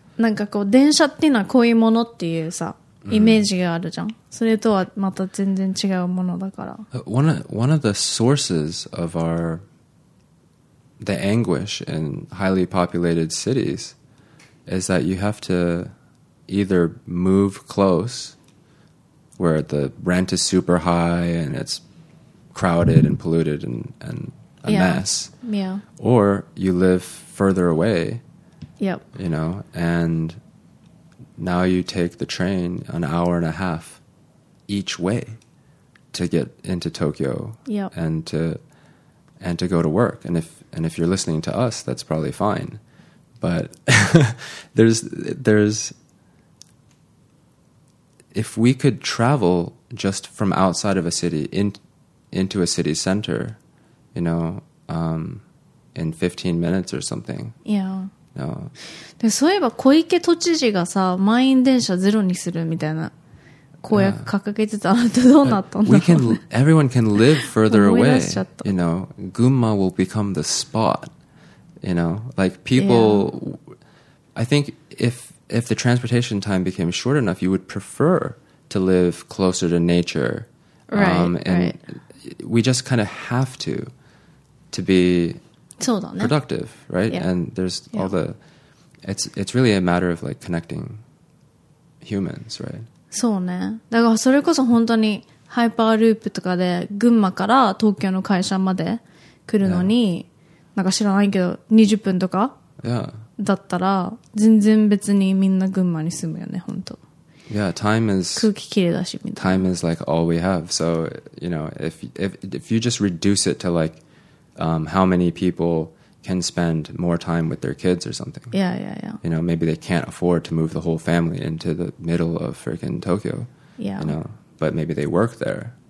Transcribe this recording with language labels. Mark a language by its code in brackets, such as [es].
[ja] なんかこう電車っていうのはこういうものっていうさ。イメージがあるじゃん。それとはまた全然違うものだから。 [en] One of the sources of the anguish in highly populated cities is that you have to either move close, where the rent is super high and it's crowded and polluted and a mess. Yeah. Or you live further away. Yep. You know, and now you take the train an hour and a half each way to get into Tokyo、 yep. and to go to work. And if you're listening to us, that's probably fine. But there's if we could travel just from outside of a city into a city center, you know, in 15 minutes or something. Yeah. No. [ja] でそういえば小池都知事がさ満員電車ゼロにするみたいな公約掲げてたのってどうなったんだろう、ね、 [en] everyone can live further away. You know, Gunma will become the spot. You know, like people,、 yeah. I think if the transportation time became short enough, you would prefer to live closer to nature. Right. We just kind of have to be... [ja] そうだね、 [en] productive, right?、 Yeah. And there's、 yeah. all the it's really a matter of like connecting humans, right? [ja] そうね。だからそれこそ本当にハイパーループとかで群馬から東京の会社まで来るのに、 [en] yeah. [ja] なんか知らないけど20分とかだったら全然別にみんな群馬に住むよね、本当。 [en] Yeah, time is [ja] 空気きれいだしみたいな。 [en] Time is like all we have. So, you know, if you just reduce it to like, how many people can spend more time with their kids or something. Yeah, yeah, yeah. You know, maybe they can't afford to move the whole family into the middle of freaking Tokyo. Yeah. You know, but maybe they work there.